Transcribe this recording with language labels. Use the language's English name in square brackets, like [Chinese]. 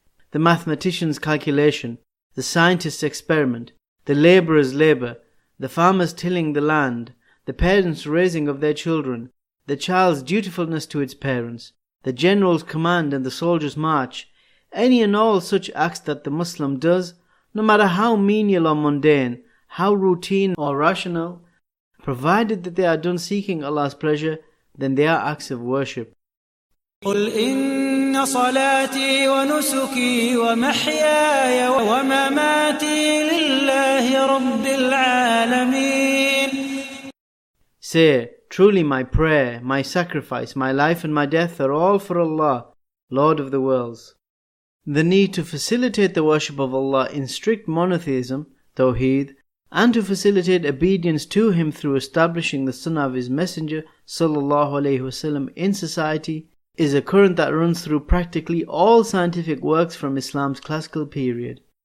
[English] The mathematician's calculation, the scientist's experiment, the labourer's labour, the farmer's tilling the land, the parents' raising of their children, the child's dutifulness to its parents, the general's command and the soldier's march, any and all such acts that the Muslim does, no matter how menial or mundane, how routine or rational, provided that they are done seeking Allah's pleasure, than they are acts of worship. [Arabic] قل إن صلاتي ونسكي ومحياي ومماتي لله رب العالمين. [English] Say, truly my prayer, my sacrifice, my life and my death are all for Allah, Lord of the worlds. The need to facilitate the worship of Allah in strict monotheism, Tawheed, and to facilitate obedience to Him through establishing the Sunnah of His Messenger, Sallallahu Alaihi Wasallam, in society, is a current that runs through practically all scientific works from Islam's classical period.